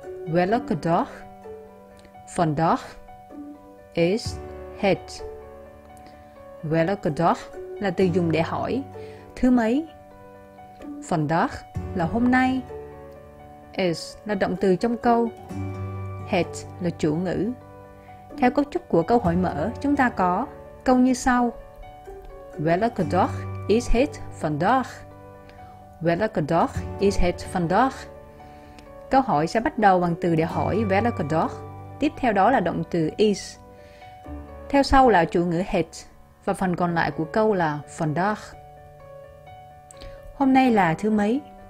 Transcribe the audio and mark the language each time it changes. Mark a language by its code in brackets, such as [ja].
[nl] welke dag vandaag is het? Welke dag [vi] là từ dùng để hỏi thứ mấy. Vandaag là hôm nay. Is là động từ trong câu. Het là chủ ngữ. Theo cấu trúc của câu hỏi mở, chúng ta có câu như sau. [nl] Welke dag is het vandaag? Welke dag is het vandaag? [vi] Câu hỏi sẽ bắt đầu bằng từ để hỏi Welke dag? Tiếp theo đó là động từ is. Theo sau là chủ ngữ het và phần còn lại của câu là vandaag. Hôm nay là thứ mấy?